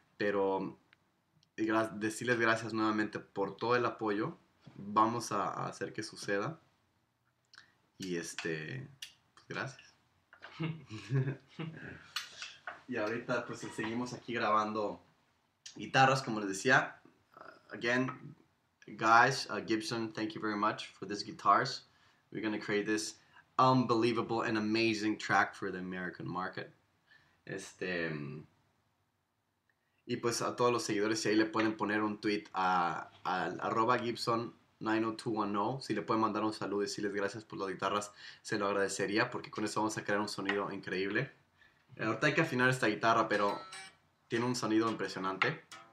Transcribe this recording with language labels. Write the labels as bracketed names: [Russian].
[Spanish] Pero decirles gracias nuevamente por todo el apoyo. Vamos a hacer que suceda. Y pues gracias. Y ahorita pues seguimos aquí grabando guitarras, como les decía. [English] Again, guys, Gibson, thank you very much for these guitars. We're gonna create this unbelievable and amazing track for the American market. [Spanish] Y pues a todos los seguidores, si ahí le pueden poner un tweet al arroba Gibson 90210, si le pueden mandar un saludo y decirles gracias por las guitarras, se lo agradecería porque con eso vamos a crear un sonido increíble. Ahorita hay que afinar esta guitarra, pero tiene un sonido impresionante.